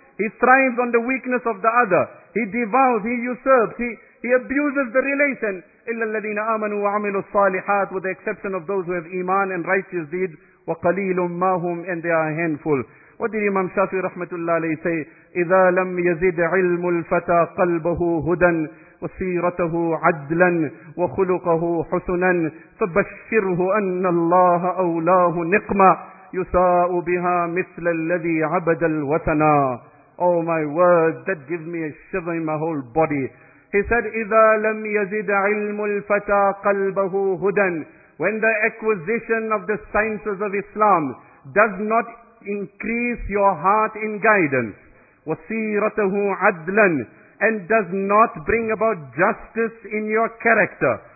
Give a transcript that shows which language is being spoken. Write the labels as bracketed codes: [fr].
[en] He thrives on the weakness of the other. He devours, he usurps, he abuses the relation. [ar] إِلَّا الَّذِينَ آمَنُوا وَعَمِلُوا الصَّالِحَاتِ [en] With the exception of those who have iman and righteous deeds. [ar] وَقَلِيلٌ مَا هُمْ [en] And they are a handful. What did Imam Shafi rahmatullah alayhi say? [ar] إِذَا لَمْ يَزِدْ عِلْمُ الْفَتَى قَلْبَهُ هُدًى وسيرته عدلا وخلقه حسنا فبشره أن الله أولاه نقمة يساء بها مثل الذي عبد الوثنا [en] Oh my word, that gives me a shiver in my whole body. He said, [ar] إذا لم يزد علم الفتى قلبه هدى [en] When the acquisition of the sciences of Islam does not increase your heart in guidance. [ar] وسيرته عدلا [en] And does not bring about justice in your character.